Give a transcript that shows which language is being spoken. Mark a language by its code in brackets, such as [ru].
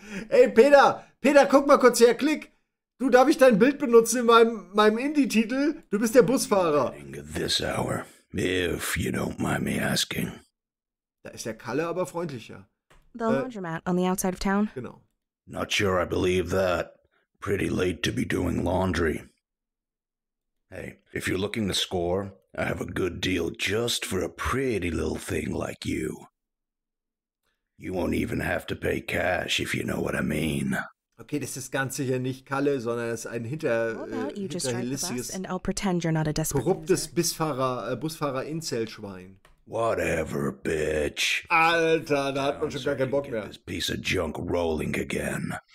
[de] Ey, Peter, guck mal kurz her, klick. Du, darf ich dein Bild benutzen in meinem Indie-Titel? Du bist der Busfahrer. [en] This hour, if you don't mind me asking. [de] Da ist der Kalle aber freundlicher. [en] The laundromat on the outside of town. [de] Genau. [en] Not sure I believe that. Pretty late to be doing laundry. Hey, if you're looking to score, I have a good deal just for a pretty little thing like you. You won't even have to pay cash, if you know what I mean. [de] Okay, das ist ganz sicher nicht Kalle, sondern es ist ein hinterhältiges, korruptes Busfahrer-Inzell-Schwein. [en] Whatever, bitch. [de] Alter, da hat man schon gar keinen Bock mehr. [en] This piece of junk rolling again.